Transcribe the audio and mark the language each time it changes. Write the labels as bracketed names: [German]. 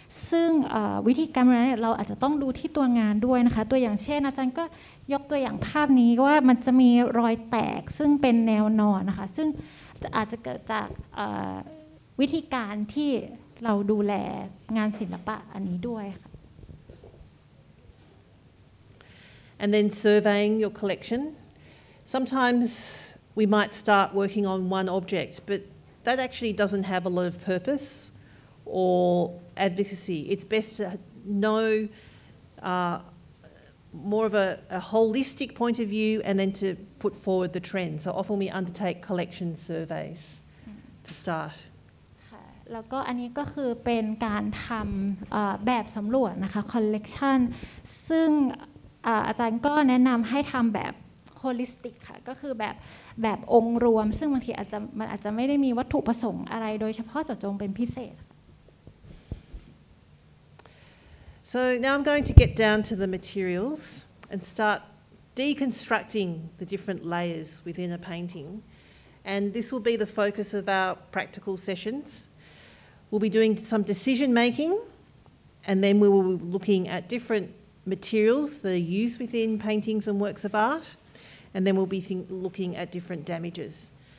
[Thai] ซึ่งวิธีการเนี่ยเราอาจจะต้องดูที่ตัวงานด้วยนะคะตัวอย่างเช่นอาจารย์ก็ยกตัวอย่างภาพนี้ว่ามันจะมีรอยแตกซึ่งเป็นแนวนอนนะคะซึ่งอาจจะเกิดจากวิธีการที่เราดูแลงานศิลปะอันนี้ด้วยค่ะ [English] And then surveying your collection. Sometimes we might start working on one object, but that actually doesn't have a lot of purpose or advocacy. It's best to know more of a holistic point of view and then to put forward the trend. So often we undertake collection surveys to start. [Thai] แล้วก็อันนี้ก็คือเป็นการทำแบบสำรวจนะคะคอลเลกชันซึ่งอาจารย์ก็แนะนำให้ทำแบบโฮลิสติกค่ะก็คือแบบองค์รวมซึ่งบางทีอาจจะไม่ได้มีวัตถุประสงค์อะไรโดยเฉพาะเจาะจงเป็นพิเศษ [English] So now I'm going to get down to the materials and start deconstructing the different layers within a painting and this will be the focus of our practical sessionsWe'll be doing some decision making, and then we will be looking at different materials that are used within paintings and works of art, and then we'll be looking at different damages.